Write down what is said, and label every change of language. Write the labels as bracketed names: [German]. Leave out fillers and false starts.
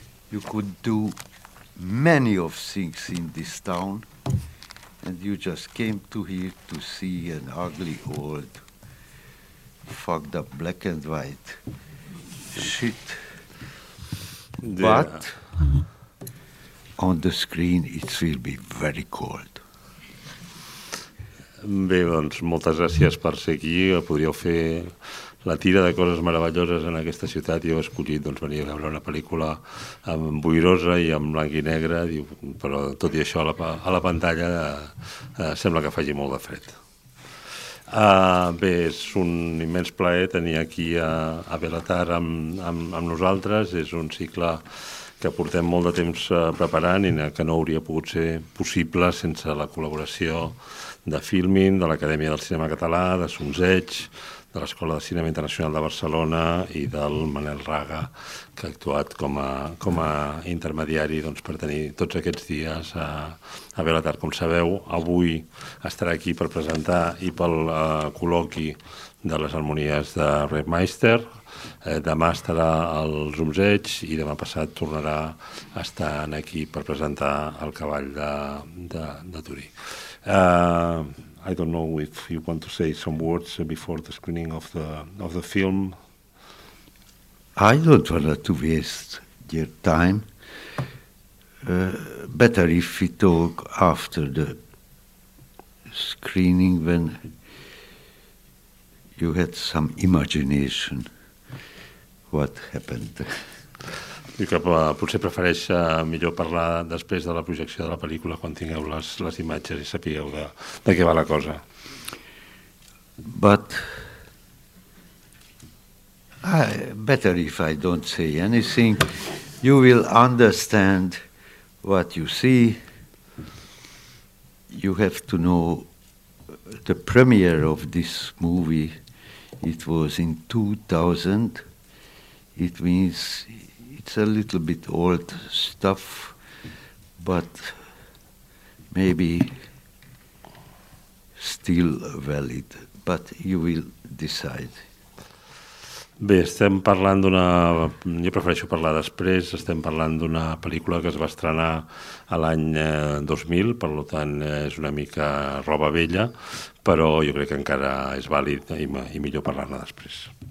[English] You could do many of things in this town, and you just came to here to see an ugly old fucked up black and white shit. But on the screen it will be very cold. [Catalan] Bé, doncs moltes gràcies per ser aquí. Podríeu fer la tira de coses meravelloses en aquesta ciutat. Jo he escollit doncs, venir a veure una pel·lícula amb boirosa i amb blanc i negre, però tot i això a la pantalla sembla que faci molt de fred. Bé, és un immens plaer tenir aquí a Belatar amb nosaltres. És un cicle que portem molt de temps preparant i que no hauria pogut ser possible sense la col·laboració de Filmin, de l'Acadèmia del Cinema Català, de Sonseig, de l'Escola de Cinema Internacional de Barcelona i del Manel Raga, que ha actuat com a intermediari doncs, per tenir tots aquests dies a Belatar. Com sabeu, avui estarà aquí per presentar i pel col·loqui de les harmonies de Rebmeister. Demà estarà al Sonseig i demà passat tornarà a estar aquí per presentar el cavall de Turí. [English] I don't know if you want to say some words before the screening of the film. I don't want to waste your time. Better if we talk after the screening when you had some imagination what happened. [Catalan] Diu que potser prefereix millor parlar després de la projecció de la pel·lícula quan tingueu les imatges i sapigueu de què va la cosa. [English] But better if I don't say anything. You will understand what you see. You have to know the premiere of this movie. It was in 2000. It means it's a little bit old stuff, but maybe still valid, but you will decide. [Catalan] Bé, estem parlant d'una... Jo prefereixo parlar després. Estem parlant d'una pel·lícula que es va estrenar a l'any 2000, per tant és una mica roba vella, però jo crec que encara és vàlid i millor parlar-ne després.